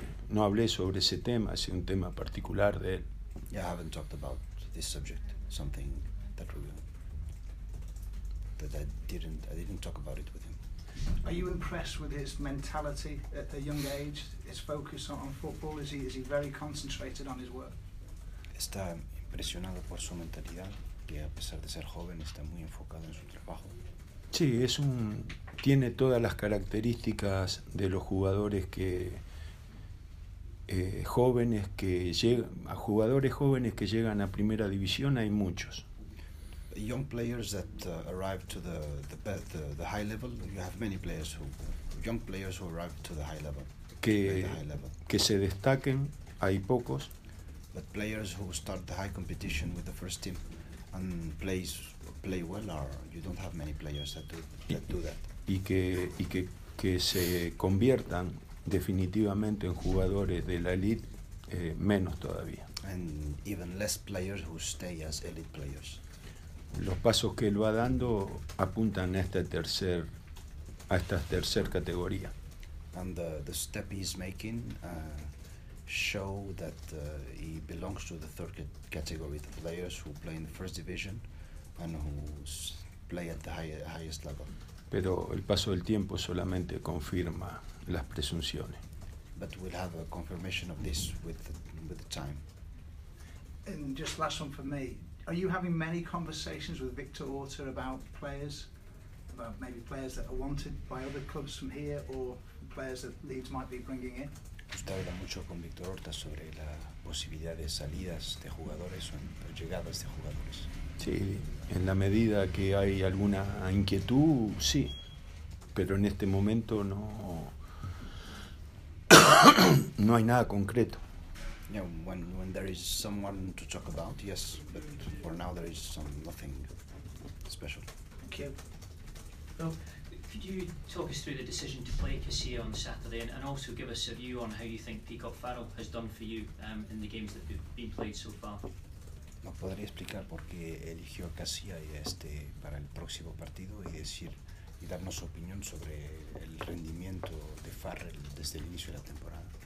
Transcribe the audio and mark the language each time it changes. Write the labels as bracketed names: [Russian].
[Spanish] No hablé sobre ese tema, es un tema particular de él. [English] I haven't talked about this subject, something that we that I didn't talk about it with him. Are you impressed with his mentality at a young age, his focus on football? Is he very concentrated on his work? [Spanish] Está impresionado por su mentalidad, que a pesar de ser joven está muy enfocado en su trabajo. Sí, tiene todas las características de los jugadores que jóvenes que llegan, jugadores jóvenes que llegan a primera división hay muchos. [English] Young players that arrive to the high level, you have many players young players who arrive to the high level. [Spanish] Que se destaquen hay pocos. [English] But players who start the high competition with the first team and play well, or you don't have many players that do that. [Spanish] Y que se conviertan definitivamente en jugadores de la elite, menos todavía. [English] And even less players who stay as elite players. [Spanish] Los pasos que él va dando apuntan a esta tercera categoría. [English] And the step he's making show that he belongs to the third category, the players who play in the first division and who play at the highest level. [Spanish] Pero el paso del tiempo solamente confirma las presunciones. [English] But we'll have a confirmation of this with the time. And just last one for me. Are you having many conversations with Victor Horta about players? About maybe players that are wanted by other clubs from here or players that Leeds might be bringing in? [Spanish] ¿Usted habla mucho con Victor Horta sobre la posibilidad de salidas de jugadores o llegadas de jugadores? Sí, en la medida que hay alguna inquietud, sí. Pero en este momento no, no hay nada concreto. [English] Yeah, when there is someone to talk about, yes, but for now there is nothing special. Thank you. Well, could you talk us through the decision to play Casilla on Saturday and also give us a view on how you think Peacock Farrell has done for you in the games that have been played so far? [Spanish] ¿No podría explicar por qué eligió Casilla para el próximo partido y decir y darnos opinión sobre el rendimiento de Farrell desde el inicio de la temporada?